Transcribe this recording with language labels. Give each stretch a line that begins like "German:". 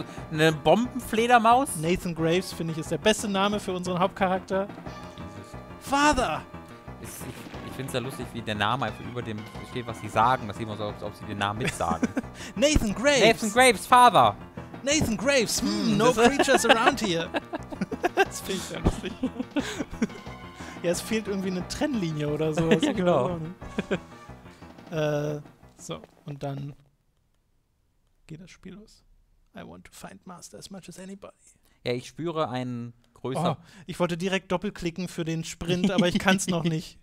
German: Eine Bombenfledermaus? Nathan Graves, finde ich, ist der beste Name für unseren Hauptcharakter.
English: Jesus. Father!
German: Ich finde es ja lustig, wie der Name einfach über dem steht, was sie sagen. Das sieht man so, als ob sie den Namen mitsagen.
English: Nathan Graves! Nathan Graves, Father! Nathan Graves, no creatures around here.
German: Das finde ich sehr lustig. Ja, es fehlt irgendwie eine Trennlinie oder so. Ja, genau. So, und dann geht das Spiel los.
English: I want to find Master as much as anybody.
German: Ja, ich spüre einen größeren. Oh, ich wollte direkt doppelklicken für den Sprint, aber ich kann es noch nicht.